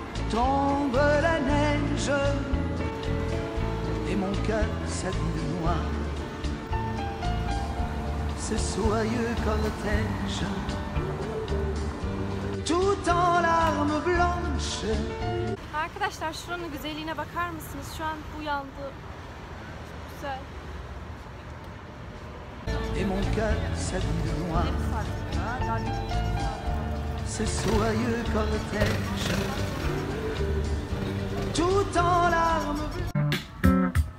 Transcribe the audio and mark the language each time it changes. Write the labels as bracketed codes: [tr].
[fr] Tombe la neige, et mon cœur s'habille noir. Ce soyeux cortège, tout en larmes blanches. [tr] Arkadaşlar, şuranın güzelliğine bakar mısınız? Şu an uyandı. Çok güzel. [fr] Et mon cœur s'habille noir. Ce soyeux cortège, tout en larmes.